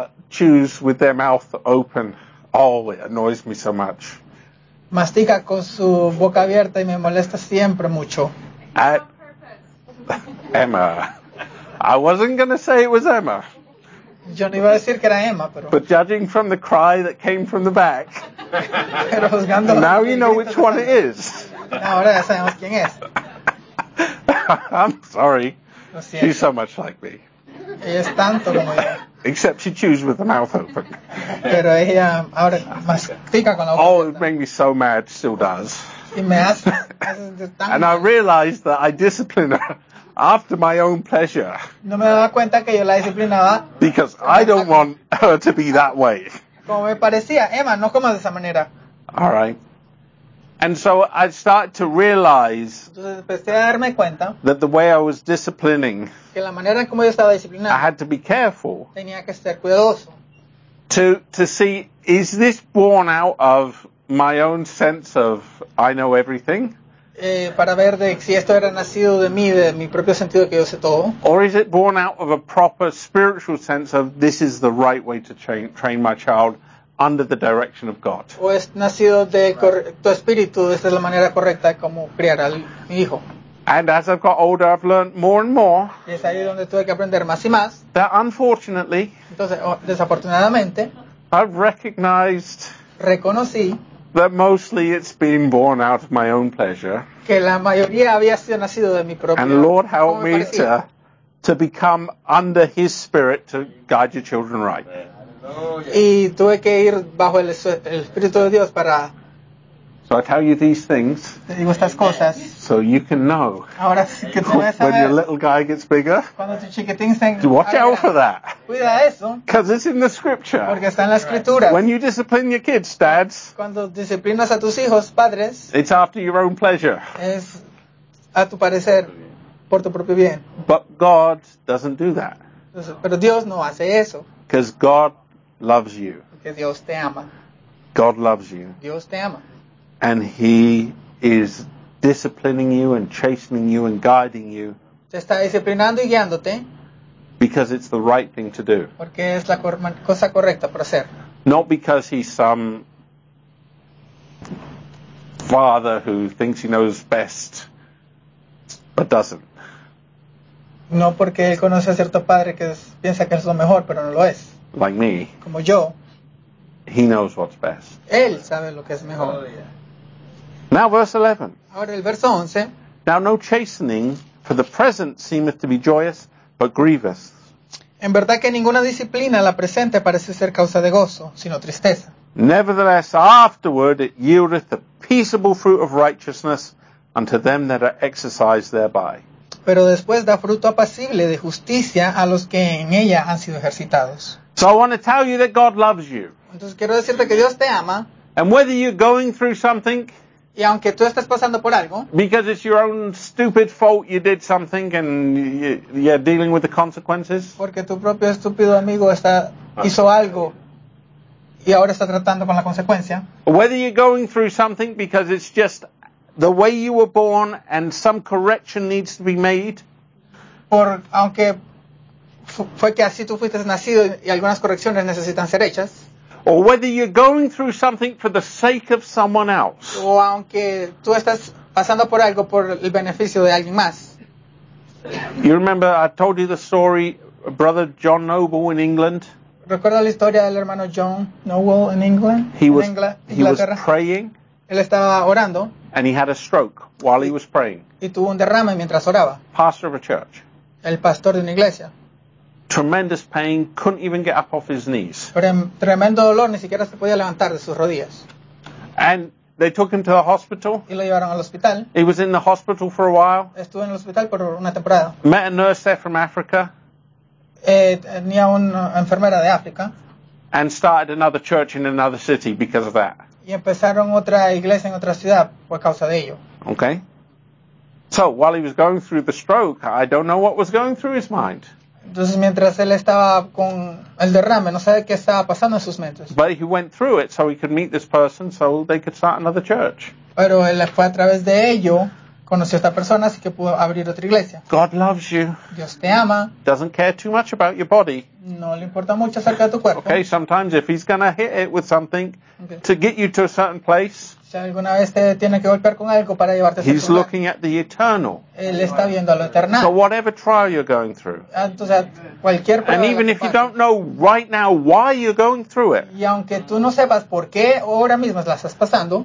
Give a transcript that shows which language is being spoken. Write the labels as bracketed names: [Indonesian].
[English] Chews with their mouth open. Oh, it annoys me so much. [Spanish] Mastica con su boca abierta y me molesta siempre mucho. [English] Emma. I wasn't going to say it was Emma. [Spanish] Yo no iba a decir que era Emma, pero... [English] But judging from the cry that came from the back, [Spanish] pero juzgando [English] now you know which one it is. [Spanish] Ahora ya sabemos quién es. [English] I'm sorry. She's so much like me. [Spanish] Ella es tanto como yo. [English] Except she chews with the mouth open. [Spanish] Pero ella ahora mastica con la boca. [English] Oh, it made me so mad, still does. And I realized that I discipline her after my own pleasure. [Spanish] No me daba cuenta que yo la disciplinaba. [English] Because I don't want her to be that way. [Spanish] Como me parecía, Emma, no comas de esa manera. [English] All right. And so I started to realize that the way I was disciplining, [Spanish] que la manera en como yo estaba disciplinando, [English] I had to be careful, [Spanish] tenía que ser cuidadoso. [English] To see, is this born out of my own sense of I know everything? [Spanish] Para ver de, si esto era nacido de mí, de mi propio sentido que yo sé todo. [English] Or is it born out of a proper spiritual sense of this is the right way to train my child? Under the direction of God. [Spanish] O es nacido de tu espíritu, esta es la manera correcta de cómo criar al mi hijo. [English] And as I've got older, I've learned more and more. [Spanish] Y es ahí donde tuve que aprender más y más. [English] That unfortunately. [Spanish] Entonces, desafortunadamente. [English] I've recognized. [Spanish] Reconocí. [English] That mostly it's been born out of my own pleasure. [Spanish] Que la mayoría había sido nacido de mi propio. [English] And Lord, help me to become under His Spirit to guide your children right. Oh, yeah. [Spanish] Y tuve que ir bajo el Espíritu de Dios para. [English] So I tell you these things. [Spanish] Te digo estas cosas. [English] So you can know. [Spanish] Ahora sí que tú vas a [English] when your little guy gets bigger. [Spanish] Cuando tu chiquitín se. [English] Watch out for that. [Spanish] Cuida eso. [English] Because it's in the Scripture. [Spanish] Porque está en la Escritura. [English] When you discipline your kids, dads. [Spanish] Cuando disciplinas a tus hijos, padres. [English] It's after your own pleasure. [Spanish] Es a tu parecer, por tu propio bien. [English] But God doesn't do that. [Spanish] Pero Dios no hace eso. [English] Because God loves you. [Spanish] Dios te ama. [English] God loves you. [Spanish] Dios te ama. [English] And He is disciplining you and chastening you and guiding you. [Spanish] Te está disciplinando y guiándote. [English] Because it's the right thing to do. [Spanish] Porque es la cosa correcta para hacer. [English] Not because He's some father who thinks He knows best, but doesn't. [Spanish] No porque él conoce a cierto padre que piensa que es lo mejor, pero no lo es. [English] Like me, [Spanish] como yo, [English] he knows what's best. [Spanish] Él sabe lo que es mejor. Oh, [English] yeah. Now verse 11. [Spanish] Ahora el verso 11. [English] Now no chastening for the present seemeth to be joyous, but grievous. [Spanish] En verdad que ninguna disciplina la presente parece ser causa de gozo, sino tristeza. [English] Nevertheless, afterward it yieldeth the peaceable fruit of righteousness unto them that are exercised thereby. [Spanish] Pero después da fruto apacible de justicia a los que en ella han sido ejercitados. [English] So I want to tell you that God loves you. [Spanish] Entonces quiero decirte que Dios te ama. [English] And whether you're going through something. [Spanish] Y aunque tú estés pasando por algo. [English] Because it's your own stupid fault you did something and you're dealing with the consequences. [Spanish] Porque tu propio estúpido amigo está, hizo algo. Y ahora está tratando con la consecuencia. [English] Whether you're going through something because it's just the way you were born and some correction needs to be made. [Spanish] Por aunque fue que así tú fuiste nacido y algunas correcciones necesitan ser hechas. [English] Or whether you're going through something for the sake of someone else. [Spanish] O aunque tú estás pasando por algo por el beneficio de alguien más. [English] You remember I told you the story of Brother John Noble in England. [Spanish] ¿Recuerda la historia del hermano John Noble en England? [English] He was praying. [Spanish] Él estaba orando. [English] And he had a stroke while he was praying. [Spanish] Y tuvo un derrame mientras oraba. [English] Pastor of a church. [Spanish] El pastor de una iglesia. [English] Tremendous pain, couldn't even get up off his knees. [Spanish] Tremendo dolor, ni siquiera se podía levantar de sus rodillas. [English] And they took him to the hospital. [Spanish] Y lo llevaron al hospital. [English] He was in the hospital for a while. [Spanish] Estuvo en el hospital por una temporada. [English] Met a nurse there from Africa. [Spanish] Tenía una enfermera de África. [English] And started another church in another city because of that. [Spanish] Y empezaron otra iglesia en otra ciudad por causa de ello. [English] Okay. So while he was going through the stroke, I don't know what was going through his mind. [Spanish] Entonces mientras él estaba con el derrame, no sabe qué estaba pasando en sus mentes. [English] But he went through it so he could meet this person so they could start another church. [Spanish] Pero él fue a través de ello, conoció a esta persona, así que pudo abrir otra iglesia. [English] God loves you. [Spanish] Dios te ama. [English] Doesn't care too much about your body. [Spanish] No le importa mucho acerca de tu cuerpo. [English] Okay, sometimes if he's gonna hit it with something to get you to a certain place. [Spanish] Si alguna vez te tiene que golpear con algo para llevarte a ese lugar. [English] He's looking at the eternal. [Spanish] Él está viendo a lo eterno. [English] So whatever trial you're going through. [Spanish] Entonces, cualquier prueba. [English] And even if you don't know right now why you're going through it. [Spanish] Y aunque tú no sepas por qué ahora mismo la estás pasando.